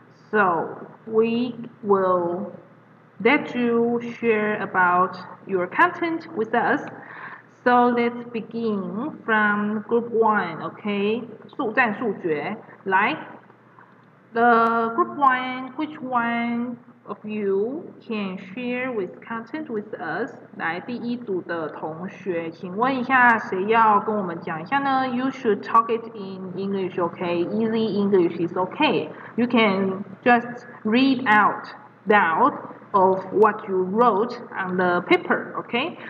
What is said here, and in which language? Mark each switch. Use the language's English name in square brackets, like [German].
[English] So we will let you share about your content with us. So let's begin from group one. Okay, 速战速决来 The group one. Which one of you can share with content with us? [Chinese] 来第一组的同学，请问一下，谁要跟我们讲一下呢？ [English] You should talk it in English, okay? Easy English is okay. You can just read out loud of what you wrote on the paper, okay?